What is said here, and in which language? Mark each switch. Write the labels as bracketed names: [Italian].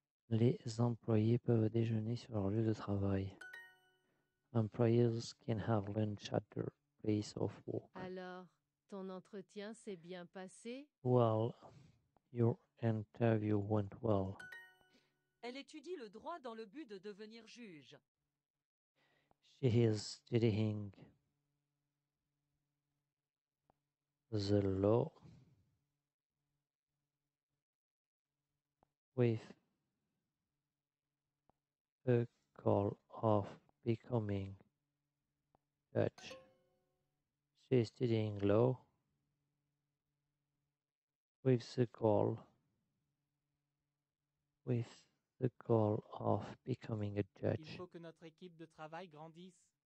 [French] Les employés peuvent déjeuner sur leur lieu de travail. [English] Employees can have lunch at their place of work. [French] Alors, ton entretien s'est bien passé? [English] Well, your interview went well. [French] Elle étudie le droit dans le but de devenir juge. [English] She is studying the law with a goal of becoming a judge. She is studying law with the goal with the goal of becoming a judge. [French] Il faut que notre équipe de travail grandisse.